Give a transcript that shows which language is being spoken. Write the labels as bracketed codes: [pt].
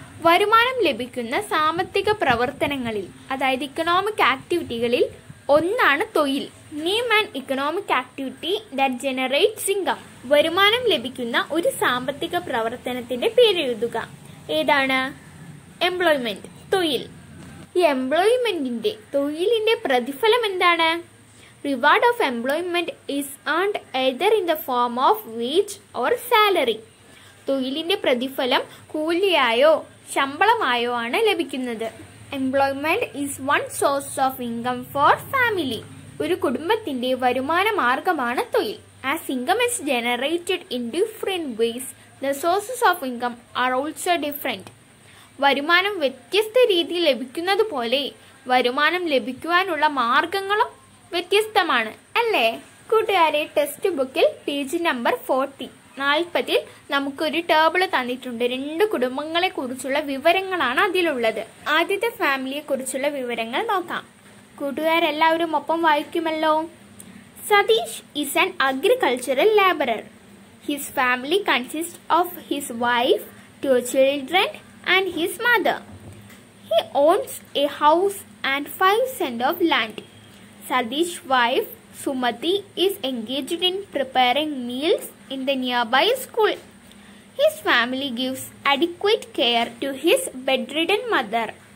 [ml] വരുമാനം ലഭിക്കുന്ന സാമ്പത്തിക പ്രവർത്തനങ്ങളിൽ, അതായത് ഇക്കണോമിക് ആക്ടിവിറ്റികളിൽ ഒന്നാണ് തൊഴിൽ. [en] Name an economic activity that generates income. [ml] വരുമാനം ലഭിക്കുന്ന ഒരു സാമ്പത്തിക പ്രവർത്തനത്തിന്റെ പേരെഴുതുക. ഏതാണ്? എംപ്ലോയ്മെന്റ്, തൊഴിൽ. ഈ എംപ്ലോയ്മെന്റിന്റെ, തൊഴിലിന്റെ പ്രതിഫലം എന്താണ്? [en] Reward of employment is earned either in the form of wage or salary. [ml] തൊഴിലിന്റെ പ്രതിഫലം കൂലിയായോ ശമ്പളമായോ ആണ് ലഭിക്കുന്നത്. [en] Employment is one source of income for family. [ml] ഒരു കുടുംബത്തിന്റെ വരുമാന മാർഗമാണ് തൊഴിൽ. [en] As income is generated in different ways, the sources of income are also different. [ml] വരുമാനം വ്യത്യസ്ത രീതിയിൽ ലഭിക്കുന്നത് പോലെ വരുമാനം ലഭിക്കുവാനുള്ള മാർഗങ്ങളും വ്യത്യസ്തമാണ്, അല്ലേ? കൂട്ടുകാരെ, ടെക്സ്റ്റ് ബുക്കിൽ പേജ് നമ്പർ 40-ൽ നമുക്കൊരു ടേബിൾ തന്നിട്ടുണ്ട്. രണ്ട് കുടുംബങ്ങളെ കുറിച്ചുള്ള വിവരങ്ങളാണ് അതിലുള്ളത്. ആദ്യത്തെ ഫാമിലിയെ കുറിച്ചുള്ള വിവരങ്ങൾ നോക്കാം. കൂട്ടുകാരെല്ലാവരും ഒപ്പം വായിക്കുമല്ലോ. [en] Satish is an agricultural labourer. His family consist of his wife, two children and his mother. He owns a house and 5 cent of land. Sadish's wife Sumati is engaged in preparing meals in the nearby school. His family gives adequate care to his bedridden mother.